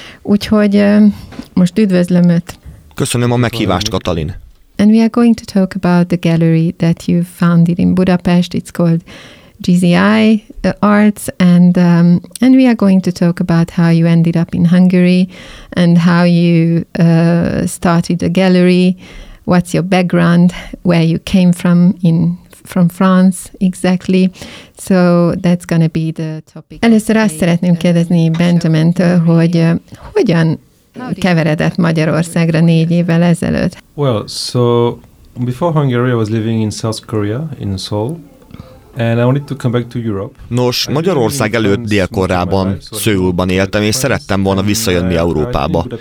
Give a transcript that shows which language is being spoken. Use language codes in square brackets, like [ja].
[hu] Úgyhogy most üdvözlöm Öt. Köszönöm a meghívást, Katalin. [en] And we are going to talk about the gallery that you founded in Budapest. It's called GZI Arts, and we are going to talk about how you ended up in Hungary and how you started the gallery. What's your background? Where you came from in from France exactly? So that's going to be the topic. [hu] Először azt szeretném kérdezni Benjamintől, hogy hogyan keveredett Magyarországra 4 évvel ezelőtt. [en] Well, so before Hungary I was living in South Korea in Seoul and I wanted to come back to Europe. [hu] Nos, Magyarország előtt Dél-Koreában, Szöulban éltem és szerettem volna visszajönni Európába.